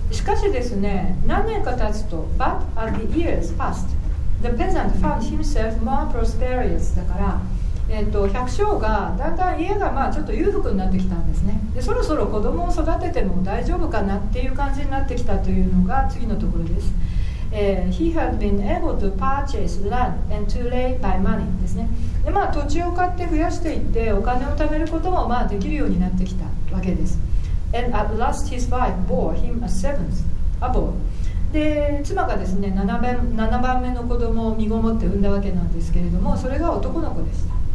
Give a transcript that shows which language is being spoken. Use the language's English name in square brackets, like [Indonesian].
[Japanese] しかしですね、何年か経つと [English] But as the years passed the peasant found himself more prosperous、 [Japanese] だから、百姓がだんだん家がまあちょっと裕福になってきたんですね。で、そろそろ子供を育てても大丈夫かなっていう感じになってきたというのが次のところです。 [English] He had been able to purchase land and to lay by money [Japanese] ですね。で、まあ土地を買って増やしていってお金を貯めることもまあできるようになってきたわけです。 [English] And at last his wife bore him a seventh, a boy. [Japanese] で、妻がですね、7番目の子供を身ごもって産んだわけなんですけれども、それが男の子でした。